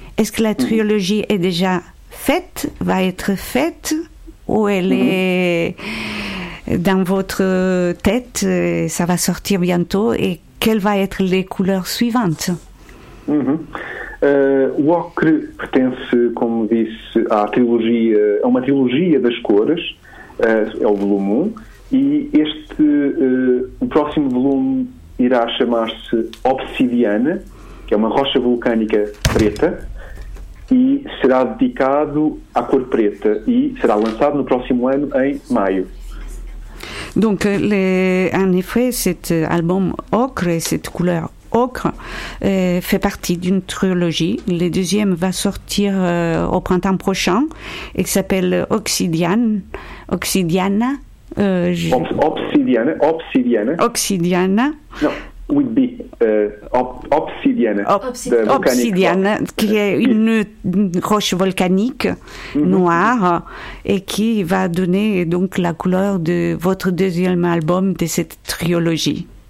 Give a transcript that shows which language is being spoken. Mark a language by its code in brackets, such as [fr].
[fr] Est-ce que la trilogie est déjà faite, va être faite, ou elle est dans votre tête, ça va sortir bientôt, et quelles vont être les couleurs suivantes? [pt] O ocre pertence, como disse, à trilogia, a uma trilogia das cores, é o volume 1, e este, o próximo volume irá chamar-se Obsidiana, que é uma rocha vulcânica preta, e será dedicado à cor preta, e será lançado no próximo ano, em maio. [fr] Donc, en effet, cet album ocre et cette couleur ocre fait partie d'une trilogie. Le deuxième va sortir au printemps prochain et s'appelle Obsidiana. Obsidiana. Obsidiana, qui est une roche volcanique noire et qui va donner donc la couleur de votre deuxième album de cette trilogie.